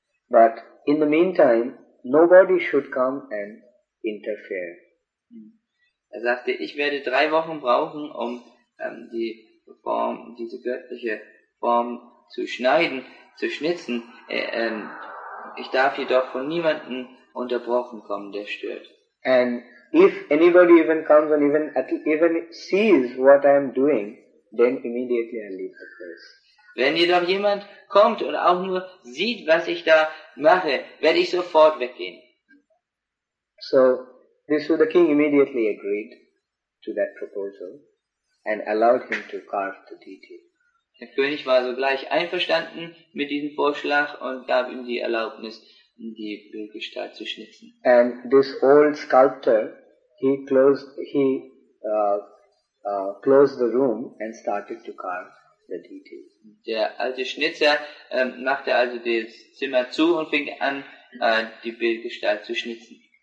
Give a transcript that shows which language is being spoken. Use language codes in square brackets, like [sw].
[en] But in the meantime, nobody should come and interfere. [de] Er sagte, ich werde 3 Wochen brauchen, um die Form, diese göttliche Form zu schnitzen. Ich darf jedoch von niemandem unterbrochen kommen, der stört. [en] And if anybody even comes and even sees what I am doing, then immediately I leave the place. [de] Wenn jedoch jemand kommt und auch nur sieht, was ich da mache, werde ich sofort weggehen. [en] So, this was the king immediately agreed to that proposal and allowed him to carve the deity. [de] Der König war sogleich einverstanden mit diesem Vorschlag und gab ihm die Erlaubnis, die Bildgestalt zu schnitzen. [en] And this old sculptor, he closed the room and started to carve the deity. [de] Der alte Schnitzer machte also das Zimmer zu und fing an, die Bildgestalt zu schnitzen.